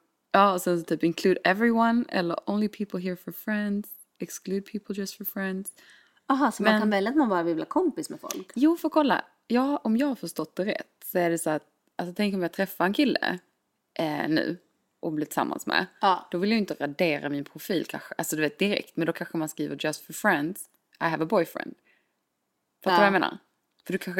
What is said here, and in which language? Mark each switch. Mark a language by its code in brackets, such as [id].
[sv] Ja, och sen så typ [en] include everyone. [sv] Eller [en] only people here for friends. Exclude people just for friends. [sv] Aha, så men, man kan välja att man bara vill bli kompis med folk. Jo, för kolla. Ja, om jag har förstått det rätt så är det så att alltså, tänk om jag träffar en kille nu och blir tillsammans med. Ja. Då vill jag inte radera min profil kanske. Alltså du vet direkt. Men då kanske man skriver [en] just for friends. I have a boyfriend. [sv] Fattar du vad jag menar? För du kanske,